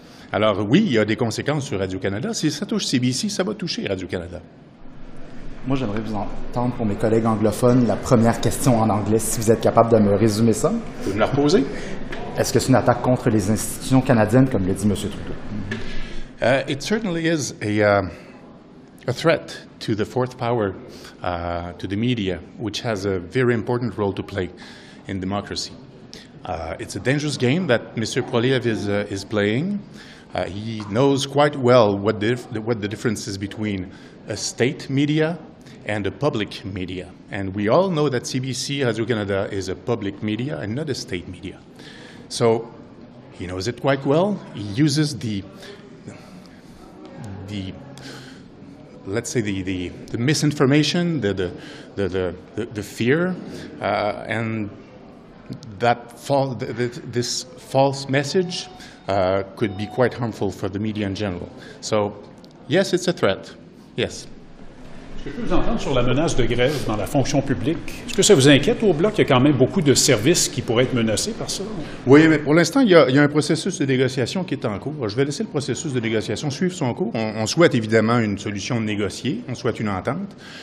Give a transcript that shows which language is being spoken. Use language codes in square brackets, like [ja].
[fr] Alors oui, il y a des conséquences sur Radio-Canada. Si ça touche CBC, ça va toucher Radio-Canada. Moi, j'aimerais vous entendre, pour mes collègues anglophones, la première question en anglais, si vous êtes capable de me résumer ça. Vous me la reposez? Est-ce que c'est une attaque contre les institutions canadiennes, comme l'a dit M. Trudeau? [en] It certainly is a a threat to the fourth power, to the media, which has a very important role to play in democracy. It's a dangerous game that Mr. Poiliev is playing. He knows quite well what the difference is between a state media and a public media. And we all know that CBC, Radio Canada, is a public media and not a state media. So he knows it quite well. He uses the misinformation, the fear, and that this false message could be quite harmful for the media in general. So, yes, it's a threat. Yes. [fr] Est-ce que je peux vous entendre sur la menace de grève dans la fonction publique? Est-ce que ça vous inquiète au Bloc? Il y a quand même beaucoup de services qui pourraient être menacés par ça. Oui, mais pour l'instant, il y a un processus de négociation qui est en cours. Je vais laisser le processus de négociation suivre son cours. On souhaite évidemment une solution négociée. On souhaite une entente.